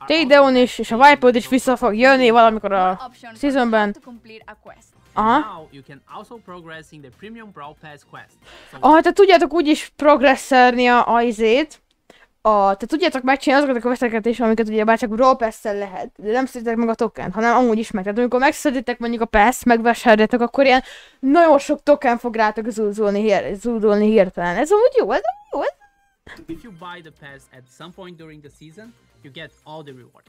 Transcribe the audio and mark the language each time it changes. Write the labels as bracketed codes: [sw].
[hu] Take down is, és a wipe out is vissza fog jönni valamikor a seasonben. [en] Now you can also progress in the premium Brawl Pass quest. [hu] Ah, te tudjátok úgyis progresszerni a izét. Te tudjátok megcsinálni azokat a questeket is, amiket ugye bárcsak Brawl Pass-szel lehet, de nem szeditek meg a tokent, hanem amúgy is meg. Tehát amikor megszeditek mondjuk a pass, megvásárjátok, akkor ilyen nagyon sok token fog rátok zúdulni hirtelen. Ez amúgy jó, ez jó, ez... [en] If you buy the pass at some point during the season, you get all the rewards.